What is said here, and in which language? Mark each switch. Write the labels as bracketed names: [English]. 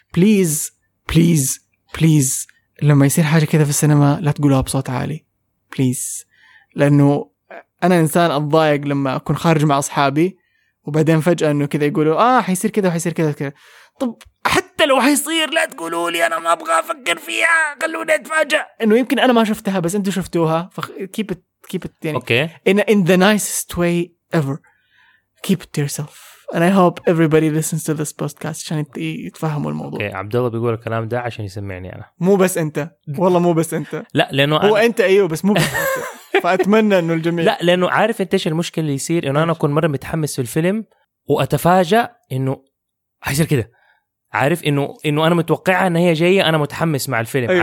[Arabic] بليز بليز بليز لما يصير حاجة كذا في السينما لا تقولها بصوت عالي بليز لأنه أنا إنسان أضايق لما أكون خارج مع أصحابي وبعدين فجأة أنه كذا يقولوا حيصير كذا وحيصير كذا طب حتى لو حيصير لا تقولوا لي أنا ما أبغى أفكر فيها خلوني أتفاجأ أنه يمكن أنا ما شفتها بس أنتوا شفتوها [English] keep it [Arabic] يعني okay. [English] in the nicest way ever keep it to yourself and I hope everybody listens to this podcast [Arabic] عشان يتفهموا الموضوع اوكي okay. عبدالله بيقول الكلام ده عشان يسمعني أنا مو بس أنت والله مو بس أنت لا لأنه هو أنت أيوه بس مو بس فأتمنى إنه الجميع لا لأنه عارف أنت إيش المشكلة اللي يصير إنه أنا أكون مرة متحمس في الفيلم وأتفاجأ إنه حيصير كده عارف إنه أنا متوقعة إن هي جاية أنا متحمس مع الفيلم أيوه.